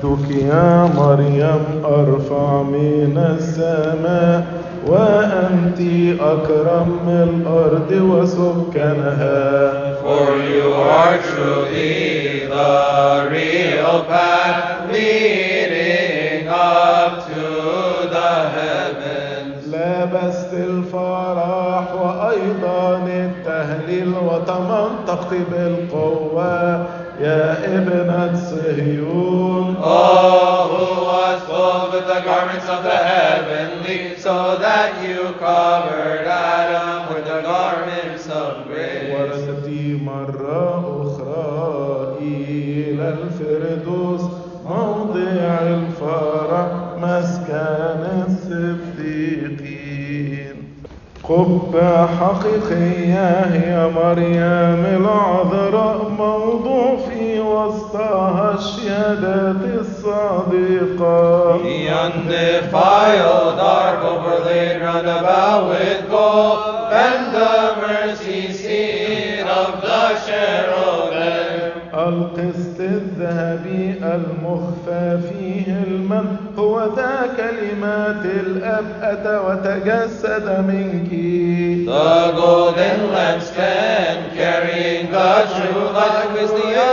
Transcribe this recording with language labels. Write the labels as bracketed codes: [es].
[ar] يا مريم أرفع من السماء وأنت أكرم من الأرض وسكنها. [en] For you are truly the real path leading up to the heavens. [ar] لبست الفرح وأيضا التهليل وتمنطقت بالقوة يا ابنة صهيون. [en] Oh, who was clothed with the garments of the heavenly, so that you covered Adam with the garments of grace. [ar] وردي مرة أخرى إلى الفردوس موضع الفرح مسكن الصديقين. قبة حقيقية يا مريم العذراء موضوع وسطها الشهادات الصادقة. [en] The undefiled ark overlaid round about with gold, and the mercy seat of the cherubim. [ar] القسط الذهبي المخفى فيه المن هو ذا كلمات الأب أتى وتجسد منك. [en] The golden lampstand carrying the true light with the